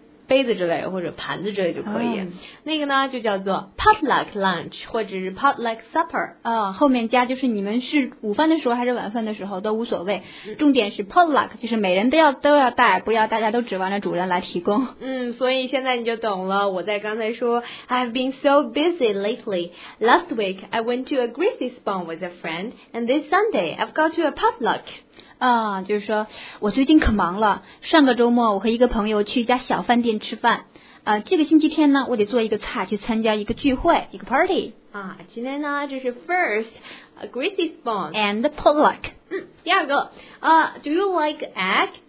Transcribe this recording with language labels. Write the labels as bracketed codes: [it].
[zh] 杯子之类或者盘子之类就可以、那个呢就叫做 potluck lunch 或者是 potluck supper、后面加就是你们是午饭的时候还是晚饭的时候都无所谓，重点是 potluck 就是每人都要带，不要大家都指望着主人来提供。所以现在你就懂了，我在刚才说 [en] I've been so busy lately. Last week I went to a greasy spoon with a friend and this Sunday I've got to a potluck. [zh] 就是说我最近可忙了，上个周末我和一个朋友去一家小饭店吃饭，这个星期天呢我得做一个菜去参加一个聚会，一个 party。今天呢就是 [en] first a greasy spoon and potluck。第二个do you like egg?